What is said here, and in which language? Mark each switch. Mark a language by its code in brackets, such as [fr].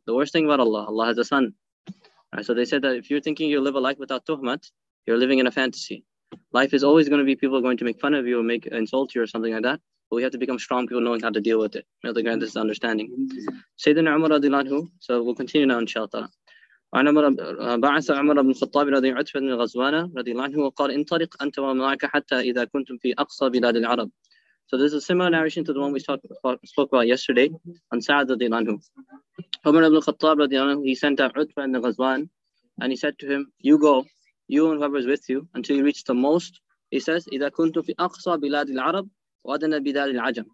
[en] The worst thing about Allah, Allah has a son. Right, so they said that if you're thinking you live a life without tuhmat, you're living in a fantasy. Life is always going to be people going to make fun of you or make insult you or something like that. But we have to become strong people knowing how to deal with it. May Allah grant this understanding. Sayyidina Umar radiallahu anhu, so we'll continue now inshallah. [ar] وعن عمر بن الخطاب رضي الله عنه عتبة بن غزوان رضي الله عنه وقال انطلق أنت ومعك حتى إذا كنتم في أقصى بلاد العرب. [en] So this is a similar narration to the one we spoke about yesterday on Sa'ad رضي الله عنه. عمر بن الخطاب رضي الله عنه, he sent out عتبة بن غزوان and he said to him, you go, you and whoever is with you, until you reach the most, he says, [ar] إذا كنتم في أقصى بلاد العرب وأدنى بلاد العجم.